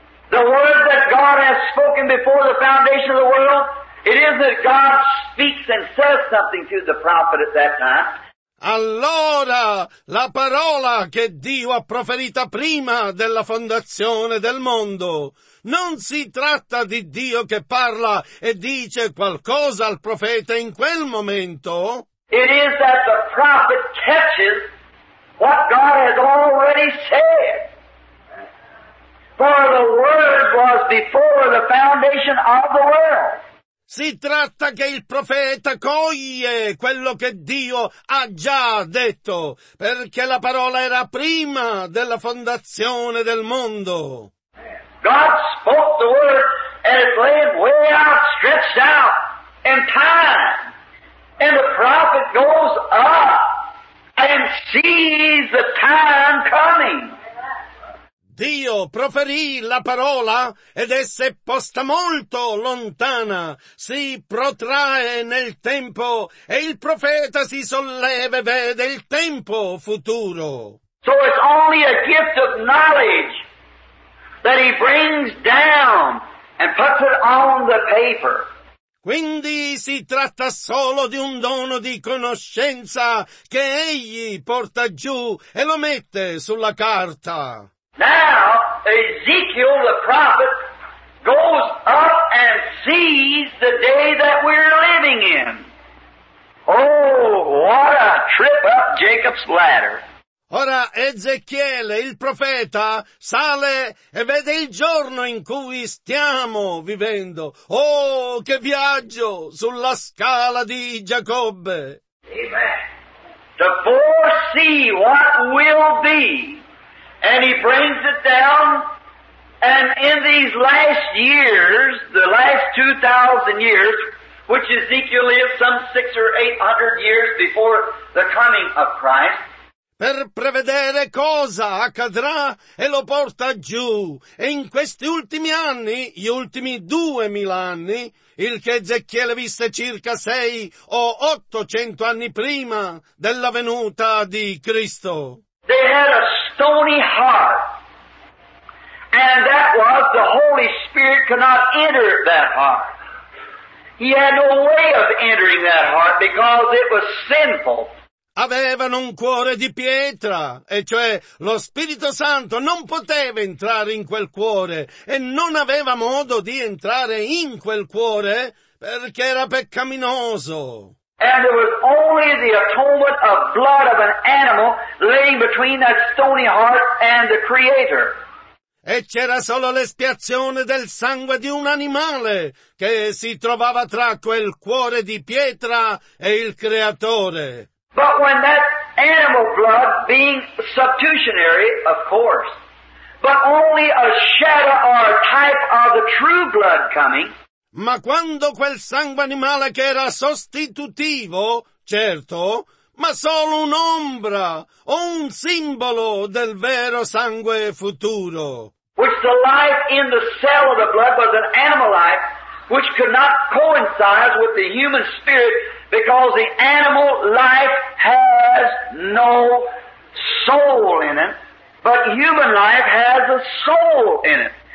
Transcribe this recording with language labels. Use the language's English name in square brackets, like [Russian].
[English] The word that God has spoken before the foundation of the world. It is that God speaks and says something to the prophet at that time. [Italian] Allora, la parola che Dio ha proferita prima della fondazione del mondo, non si tratta di Dio che parla e dice qualcosa al profeta in quel momento. [English] It is that the prophet catches what God has already said. For the word was before the foundation of the world. [Italian] Si tratta che il profeta coglie quello che Dio ha già detto, perché la parola era prima della fondazione del mondo. [English] God spoke the word and it lay way out, stretched out in time. And the prophet goes up and sees the time coming. [Italian] Dio proferì la parola ed essa è posta molto lontana, si protrae nel tempo e il profeta si solleva e vede il tempo futuro. [English] So it's only a gift of knowledge that he brings down and puts it on the paper. [Italian] Quindi si tratta solo di un dono di conoscenza che egli porta giù e lo mette sulla carta. [English] Now, Ezekiel, the prophet, goes up and sees the day that we're living in. Oh, what a trip up Jacob's ladder. [Italian] Ora, Ezechiele, il profeta, sale e vede il giorno in cui stiamo vivendo. Oh, che viaggio sulla scala di Giacobbe. [English] Amen. To foresee what will be. And he brings it down, and in these last years, the last 2,000 years, which Ezekiel lived some 600 or 800 years before the coming of Christ. [Italian] Per prevedere cosa accadrà, e lo porta giù. E in questi ultimi anni, gli ultimi 2,000 anni, il che Ezechiele visse circa 600 [English] or [Italian] 800 anni prima della venuta di Cristo. [English] They had a stony heart, and that was the Holy Spirit could not enter that heart. He had no way of entering that heart because it was sinful. [Italian] Avevano un cuore di pietra, e cioè lo Spirito Santo non poteva entrare in quel cuore e non aveva modo di entrare in quel cuore perché era peccaminoso. [English] And there was only the atonement of blood of an animal laying between that stony heart and the Creator. [Italian] E c'era solo l'espiazione del sangue di un animale che si trovava tra quel cuore di pietra e il Creatore. [English] But when that animal blood, being substitutionary, of course, but only a shadow or a type of the true blood coming, [Italian] ma quando quel sangue animale che era sostitutivo, certo, ma solo un'ombra o un simbolo del vero sangue futuro. [English] Which the life in the cell of the blood was an animal life, which could not coincide with the human spirit, because the animal life has no soul in it, but human life has a soul in it.